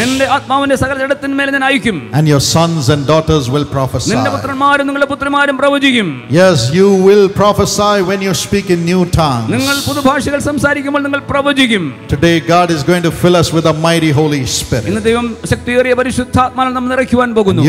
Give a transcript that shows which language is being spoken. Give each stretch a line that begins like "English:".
Malayalam: എന്റെ ആത്മാവിനെ സകല ജഡത്തിന്മേൽ ഞാൻ അയക്കും.
English: And your sons and daughters will prophesy.
Malayalam: നിന്റെ പുത്രന്മാരും നിങ്ങളുടെ പുത്രിമാരും പ്രവചിക്കും.
English: Yes, you will prophesy when you speak in new tongues.
Malayalam: നിങ്ങൾ പുതുഭാഷകൾ സംസാരിക്കുമ്പോൾ നിങ്ങൾ പ്രവചിക്കും.
English: Today God is going to fill us with a mighty Holy Spirit.
Malayalam: ഇന്ന് ദൈവം ശക്തിയേറിയ പരിശുദ്ധാത്മാവ് നമ്മെ നിറയ്ക്കുവാൻ പോകുന്നു.